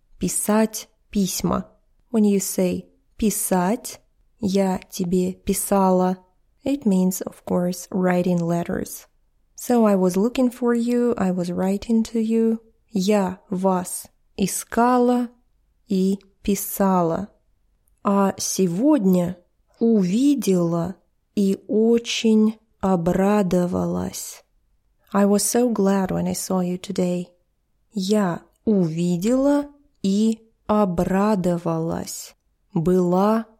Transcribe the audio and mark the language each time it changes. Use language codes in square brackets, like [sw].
[ru] Писать письма. [en] When you say писать, [ru] я тебе писала, [en] it means, of course, writing letters. So I was looking for you, I was writing to you. [ru] Я вас искала и писала. А сегодня увидела и очень обрадовалась. [en] I was so glad when I saw you today. [ru] Я увидела и обрадовалась. Была